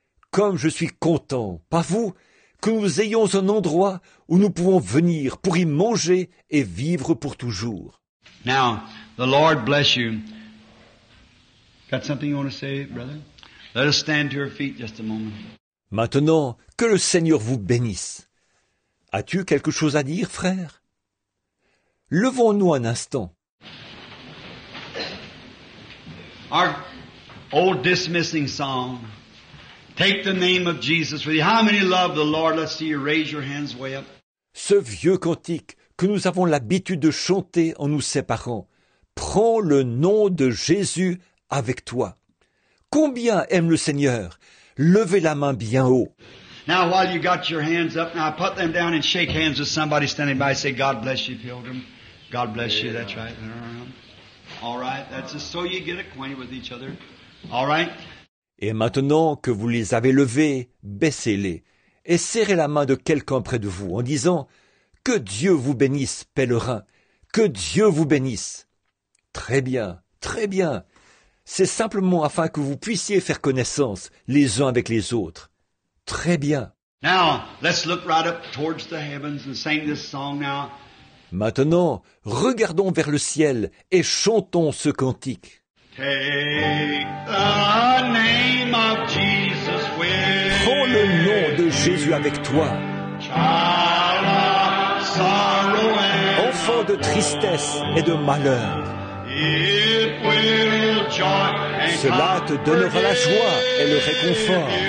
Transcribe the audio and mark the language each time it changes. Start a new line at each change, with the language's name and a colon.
French: Comme je suis content, pas vous, que nous ayons un endroit où nous pouvons venir pour y manger et vivre pour toujours.
English: Now, the Lord bless you. Got something you want to say, brother? Let us stand to our feet just a moment.
French: Maintenant, que le Seigneur vous bénisse. As-tu quelque chose à dire, frère? Levons-nous un instant.
English: Our old dismissing song. Take the name of Jesus with you. How many love the Lord? Let's see you raise your hands way up.
French: Ce vieux cantique que nous avons l'habitude de chanter en nous séparant. Prends le nom de Jésus avec toi. Combien aime le Seigneur? Levez la main bien haut.
English: Now while you got your hands up, now put them down and shake hands with somebody standing by. Say, God bless you, pilgrim. God bless you, that's right. All right, that's just so you get acquainted with each other. All right.
French: Et maintenant que vous les avez levés, baissez-les et serrez la main de quelqu'un près de vous en disant « Que Dieu vous bénisse, pèlerin, que Dieu vous bénisse !» Très bien, très bien. C'est simplement afin que vous puissiez faire connaissance les uns avec les autres. Très bien.
English: Now, let's look right up towards the heavens and sing this song now.
French: Maintenant, regardons vers le ciel et chantons ce cantique.
English: Take the name of Jesus with you.
French: Prends le nom de Jésus avec toi.
English: Child of sorrow and
French: enfant de tristesse et de malheur.
English: It will joy and comfort you.
French: Cela te donnera la joie et le réconfort.